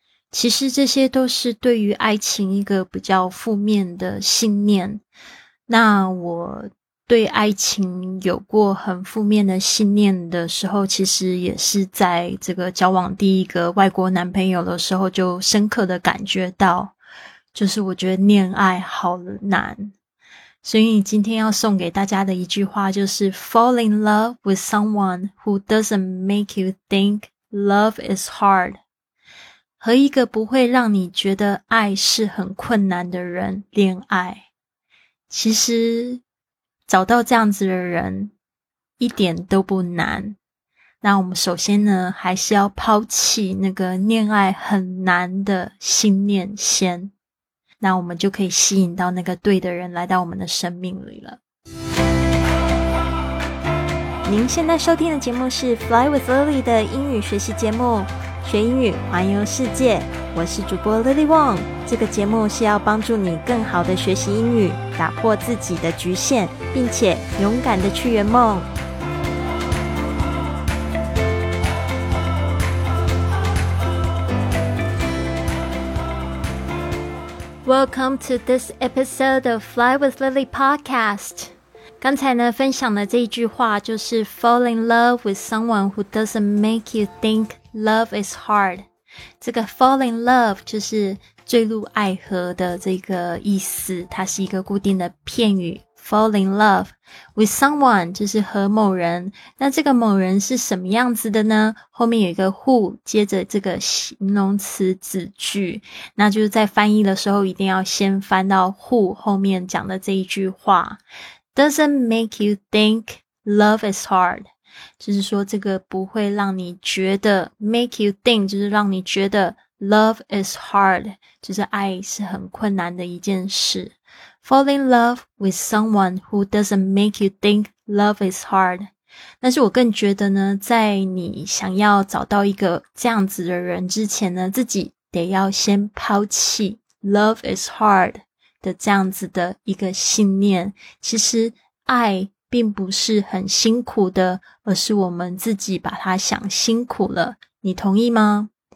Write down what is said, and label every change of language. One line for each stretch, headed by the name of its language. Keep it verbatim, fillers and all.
Chinese: 其实这些都是对于爱情一个比较负面的信念。那我对爱情有过很负面的信念的时候，其实也是在这个交往第一个外国男朋友的时候，就深刻的感觉到，就是我觉得恋爱好难。所以今天要送给大家的一句话就是
English: Fall in love with someone who doesn't make you think love is hard.
Chinese: 和一个不会让你觉得爱是很困难的人恋爱。其实找到这样子的人一点都不难。那我们首先呢，还是要抛弃那个恋爱很难的信念先。那我们就可以吸引到那个对的人来到我们的生命里了。您现在收听的节目是 Fly with Lily 的英语学习节目，学英语环游世界。我是主播 Lily Wong。这个节目是要帮助你更好的学习英语，打破自己的局限，并且勇敢的去圆梦。
English: Welcome to this episode of Fly with Lily podcast.
Chinese: 刚才呢分享的这一句话就是
English: Fall in love with someone who doesn't make you think love is hard.
Chinese: 这个
English: Fall in love
Chinese: 就是坠入爱河的这个意思，它是一个固定的片语。
English: Fall in love with someone
Chinese: 就是和某人，那这个某人是什么样子的呢？后面有一个 who 接着这个形容词子句，那就是在翻译的时候一定要先翻到 who 后面讲的这一句话。
English: Doesn't make you think love is hard，
Chinese: 就是说这个不会让你觉得
English: make you think
Chinese: 就是让你觉得
English: love is hard，
Chinese: 就是爱是很困难的一件事。
English: Fall in love with someone who doesn't make you think love is hard.
Chinese: 但是我更觉得呢，在你想要找到一个这样子的人之前呢，自己得要先抛弃
English: love is hard
Chinese: 的这样子的一个信念。其实爱并不是很辛苦的，而是我们自己把它想辛苦了。你同意吗？